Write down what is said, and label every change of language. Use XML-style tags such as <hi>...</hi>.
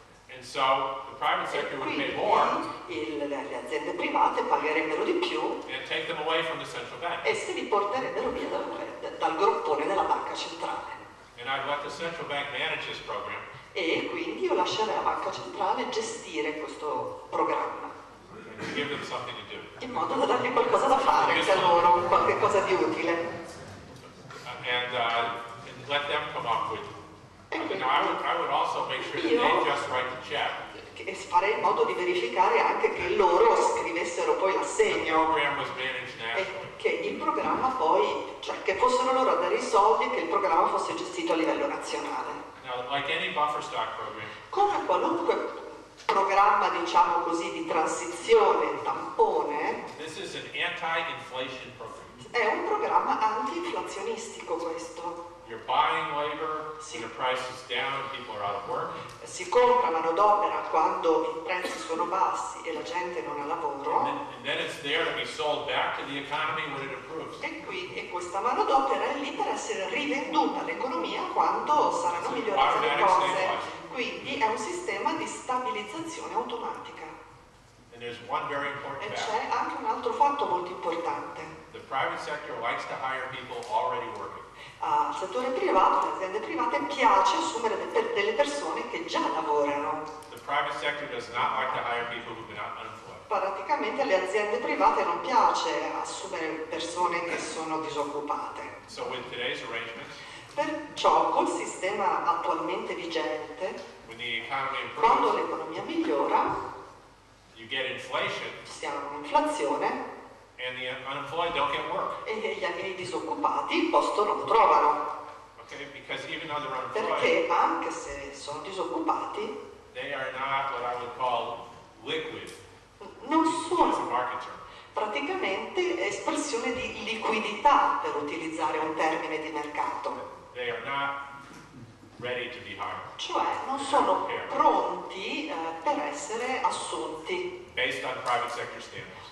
<en>And so the private sector would pay more.</en> <it>Le aziende private pagherebbero di più.</it> <en>And take them away from the central bank.</en> <it>E se li porterebbero via dal gruppone della banca centrale.</it> <en>And I'd let the central bank manage this program.</en> <it>E quindi io lascerei la banca centrale gestire questo programma.</it> <en>Give them something to do.</en> <it>In modo da dargli qualcosa da fare per loro, qualche cosa di utile.</it> <en>And let them come up with. I would also make sure that they just write the check.</en> <it>E farei in modo di verificare anche che loro scrivessero poi l'assegno. Che il programma poi, cioè che fossero loro a dare i soldi e che il programma fosse gestito a livello nazionale.</it> <en>Now, like any buffer stock program,</en> <it>come qualunque programma, diciamo così, di transizione, tampone,</it> <en>this is an anti-inflation program.</en> <it>È un programma anti-inflazionistico questo.</it> <en>You're buying labor, si, the price is down, people are out of work.</en> <it>Si compra manodopera quando i prezzi sono bassi e la gente non ha lavoro.</it> <en>And then it's there to be sold back to the economy when it improves.</en> <it>E questa manodopera è lì per essere rivenduta all'economia quando saranno</it> <en>it's</en> <it>migliorate le cose. Quindi è un sistema di stabilizzazione automatica.</it> <en>And there's one very important</en> <it>e c'è anche un altro fatto molto importante.</it> <en>The private sector likes to hire people already working.</en> <it>Al settore privato, alle aziende private piace assumere delle persone che già lavorano.</it> <en>The private sector does not like to hire people who've been unemployed.</en> <it>Praticamente alle aziende private non piace assumere persone che sono disoccupate.</it> <en>So with today's arrangements,</en> <it>perciò col sistema attualmente vigente,</it> <en>when the economy improves,</en> <it>quando l'economia migliora,</it> <en>you get inflation,</en> <it>si ha un'inflazione,</it> <en>and the unemployed don't get work.</en> <it>E gli disoccupati il posto non lo trovano.</it> <en>Okay, because even though they're unemployed,</en> <it>perché anche se sono disoccupati,</it> <en>they are not what I would call liquid.</en> <it>Non sono</it> <en>a market term.</en> <it>Praticamente espressione di liquidità per utilizzare un termine di mercato.</it> <en>They are not ready to be hired.</en> <it>Cioè non sono pronti per essere assunti.</it> <en>Based on private sector standards.</en>